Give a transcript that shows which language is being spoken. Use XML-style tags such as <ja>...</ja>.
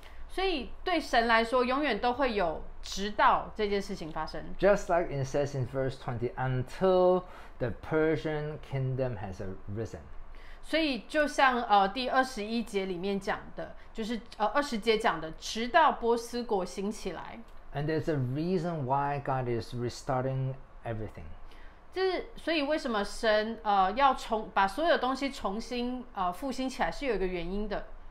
<zh>所以对神来说永远都会有直到这件事情发生。</zh> <en>Just like it says in verse 20, until the Persian kingdom has arisen.</en> <zh>所以就像第21节里面讲的，就是20节讲的，直到波斯国兴起来。</zh> <en>And there's a reason why God is restarting everything.</en> <zh>所以为什么神把所有东西重新复兴起来是有一个原因的。</zh>